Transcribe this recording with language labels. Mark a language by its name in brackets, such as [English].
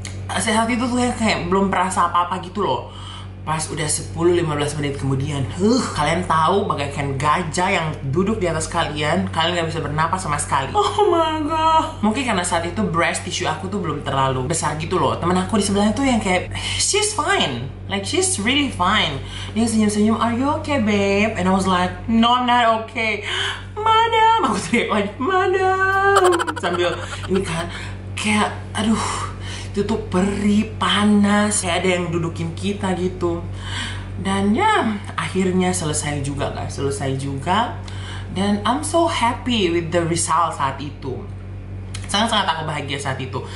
[Indonesian] Saat itu tuh kayak belum merasa apa-apa gitu loh. Pas udah 10-15 menit kemudian, kalian tahu bagaikan gajah yang duduk di atas kalian, kalian gak bisa bernapas sama sekali. [English] Oh my god. [Indonesian] Mungkin karena saat itu breast tissue aku tuh belum terlalu besar gitu loh. Temen aku di sebelahnya tuh yang kayak, [English] she's fine. Like she's really fine. [Indonesian] Dia senyum-senyum, [English] are you okay babe? And I was like, no I'm not okay. [Indonesian] Madam, aku teriak lagi, Madam. Sambil ini kan, kayak aduh, itu tuh perih, panas, kayak ada yang dudukin kita gitu. Dan ya, akhirnya selesai juga guys, selesai juga. Dan [English] I'm so happy with the result [Indonesian] saat itu. Sangat-sangat aku bahagia saat itu.